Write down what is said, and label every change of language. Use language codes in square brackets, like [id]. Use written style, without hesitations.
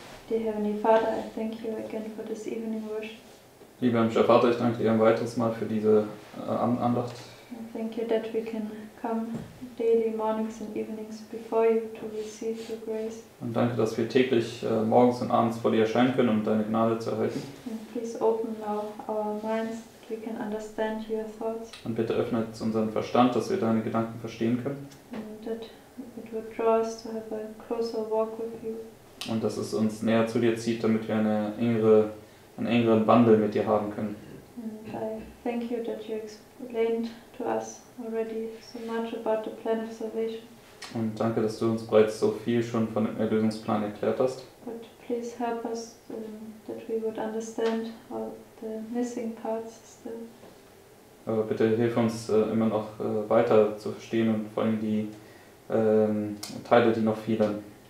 [en] Dear Heavenly Father, I thank you again for this evening worship. [de] Lieber himmlischer Vater, ich danke dir ein weiteres Mal für diese Andacht. [en] I thank you that we can come daily mornings and evenings before you to receive your grace. [de] Und danke, dass wir täglich morgens und abends vor dir erscheinen können, um deine Gnade zu erhalten. [en] And please open now our minds that we can understand your thoughts. [de] Und bitte öffne jetzt unseren Verstand, dass wir deine Gedanken verstehen können. [en] And that it would draw us to have a closer walk with you. [de] Und dass es uns näher zu dir zieht, damit wir einen engeren Wandel mit dir haben können. [en] And I thank you that you explained to us already so much about the plan of salvation. [de] Und danke, dass du uns bereits so viel schon von dem Erlösungsplan erklärt hast. [en] But please help us that we would understand all the missing parts still. [de] Aber bitte hilf uns immer noch weiter zu verstehen und vor allem die Teile, die noch fehlen.